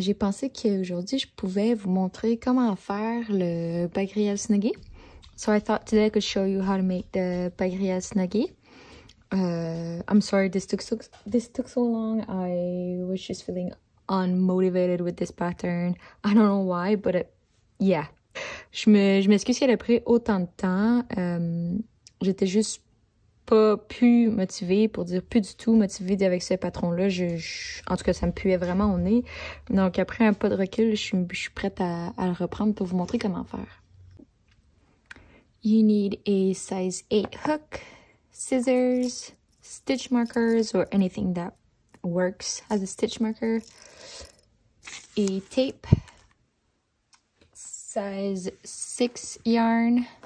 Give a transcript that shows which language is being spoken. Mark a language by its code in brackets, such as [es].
[fr] J'ai pensé qu'aujourd'hui, je pouvais vous montrer comment faire le Bagrielle snuggy. [en] So I thought today I could show you how to make the Bagrielle snuggy. I'm sorry this took so long. I was just feeling unmotivated with this pattern. I don't know why, but yeah. [fr] Je m'excuse si elle a pris autant de temps. J'étais juste pas plus motivée, pour dire plus du tout motivée avec ce patron-là. En tout cas, ça me puait vraiment au nez. Donc, après un pas de recul, je suis prête à le reprendre pour vous montrer comment faire. [en] You need a size 8 hook, scissors, stitch markers, or anything that works as a stitch marker, a tape, size 6 yarn.